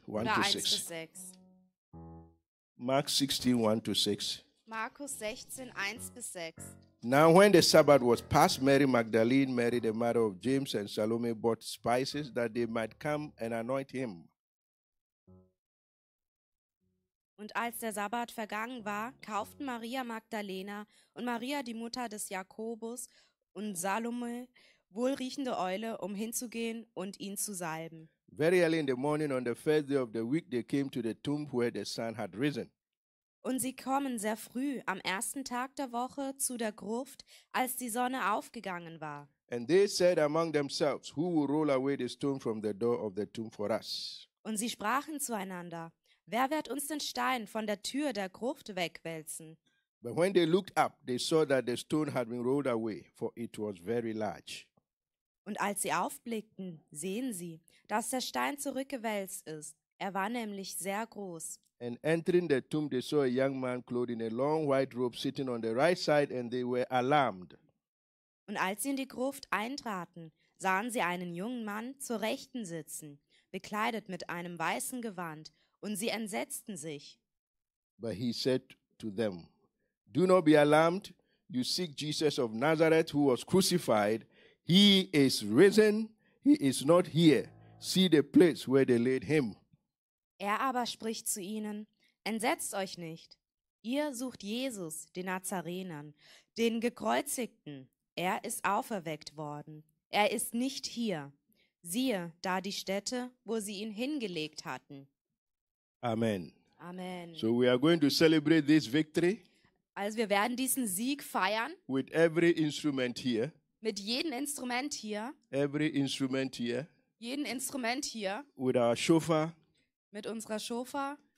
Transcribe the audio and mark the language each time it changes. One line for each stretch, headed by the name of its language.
English: 1 to 6. Mark 16, 1 to 6.
German: Markus 16, 1 bis 6.
English: Now when the Sabbath was past, Mary Magdalene, Mary the mother of James and Salome, bought spices that they might come and anoint him.
German: Und als der Sabbat vergangen war, kauften Maria Magdalena und Maria, die Mutter des Jakobus, und Salome wohlriechende Eule, um hinzugehen und ihn zu salben.
English: Very early in the morning, on the first day of the week, they came to the tomb where the sun had risen.
German: Und sie kommen sehr früh, am ersten Tag der Woche, zu der Gruft, als die Sonne aufgegangen war.
English: And they said among themselves, who will roll away the stone from the door of the tomb for us?
German: Und sie sprachen zueinander, wer wird uns den Stein von der Tür der Gruft wegwälzen?
English: But when they looked up, they saw that the stone had been rolled away, for it was very large.
German: Und als sie aufblickten, sehen sie, dass der Stein zurückgewälzt ist. Er war nämlich sehr groß.
English: And entering the tomb, they saw a young man clothed in a long white robe sitting on the right side, and they were alarmed.
German: Und als sie in die Gruft eintraten, sahen sie einen jungen Mann zur Rechten sitzen, bekleidet mit einem weißen Gewand, und sie entsetzten sich.
English: But he said to them, do not be alarmed. You seek Jesus of Nazareth, who was crucified. He is risen. He is not here. See the place where they laid him.
German: Er aber spricht zu ihnen, entsetzt euch nicht. Ihr sucht Jesus, den Nazarenern, den Gekreuzigten. Er ist auferweckt worden. Er ist nicht hier. Siehe da die Stätte, wo sie ihn hingelegt hatten. Amen. Amen.
English: So we are going to celebrate this victory.
German: Also wir werden diesen Sieg feiern.
English: With every instrument here.
German: Mit jedem Instrument hier.
English: Every instrument here.
German: Jeden Instrument hier.
English: With our shofar.
German: Mit unserer Shofar.